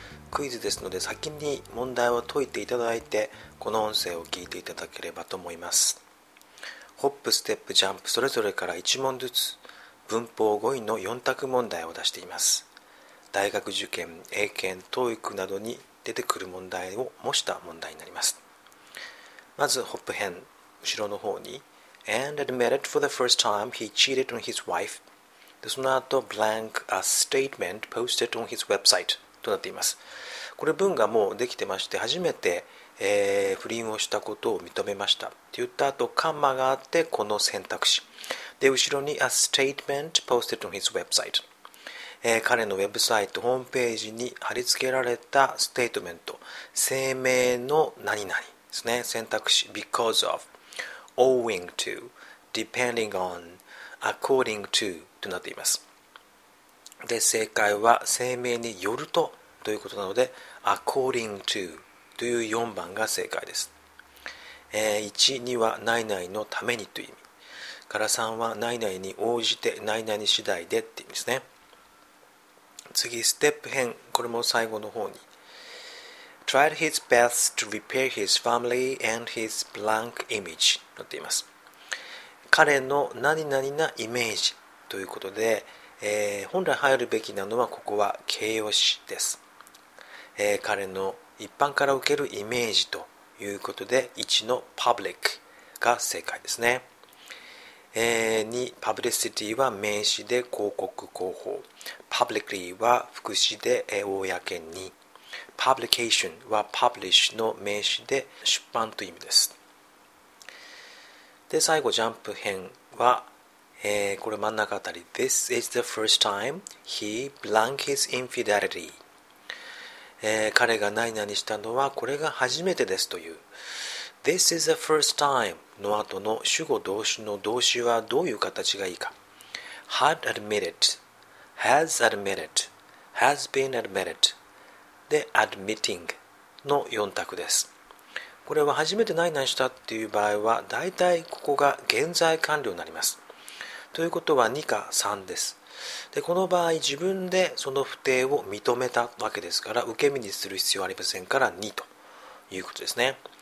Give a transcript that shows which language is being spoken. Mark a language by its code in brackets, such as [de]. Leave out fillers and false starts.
[ja] クイズですので先に問題を解いていただいてこの音声を聞いていただければと思います。ホップステップジャンプそれぞれから1問ずつ文法語彙の4択問題を出しています。大学受験、英検、TOEIC などに出てくる問題を模した問題になります。まずホップ編、後ろの方に [en] And admitted for the first time he cheated on his wife [ja] で、その後 [en] blank a statement posted on his website [ja] となっています。これ文がもうできてまして、初めて、不倫をしたことを認めましたと言った後カンマがあってこの選択肢で、後ろに [en] a statement posted on his website、 [ja] 彼のウェブサイト、ホームページに貼り付けられたステートメント、声明の何々ですね。選択肢、 [en] because of、owing to、depending on、according to [ja] となっています。で、正解は声明によるとということなので、according to という4番が正解です。 1、2は何々のためにという意味。から3は何々に応じて、何々次第でという意味ですね。次、ステップ編。これも最後の方に。 [en] Tried his best to repair his family and his blank image. [ja] なっています。彼の何々なイメージということで、本来入るべきなのはここは形容詞です。彼の一般から受けるイメージということで、1の public が正解ですね。 2、publicity は名詞で広告広報。 publicly は副詞で公に。publication は publish の名詞で出版という意味です。で、最後、ジャンプ編は、これ真ん中あたり。 [en] This is the first time he blank his infidelity. [ja] 彼が何々したのはこれが初めてですという。 [en] This is the first time [ja] の後の主語動詞の動詞はどういう形がいいか。 [en] Had admitted, has admitted, has been admitted. [ja] で、admitting の4択です。これは初めて何々したっていう場合は、だいたいここが現在完了になります。ということは2か3です。で、この場合自分でその不貞を認めたわけですから、受け身にする必要はありませんから2ということですね。